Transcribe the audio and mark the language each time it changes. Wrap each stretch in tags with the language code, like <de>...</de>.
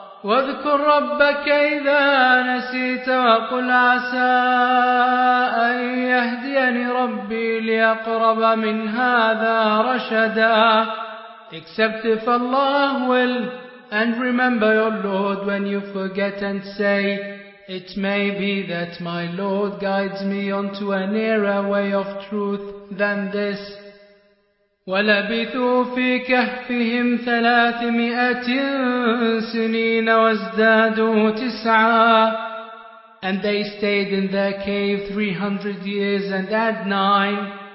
<ar>واذكر ربك إذا نسيت وقل عسى أن يهديني ربي لأقرب من هذا رشدا.</ar> <en>Except if Allah will, and remember your Lord when you forget and say, it may be that my Lord guides me onto a nearer way of truth than this.</en> <ar>ولبثوا في كهفهم ثلاثمائة سنين وازدادوا تسعا.</ar> <en>And they stayed in their cave 300 years and add 9.</en>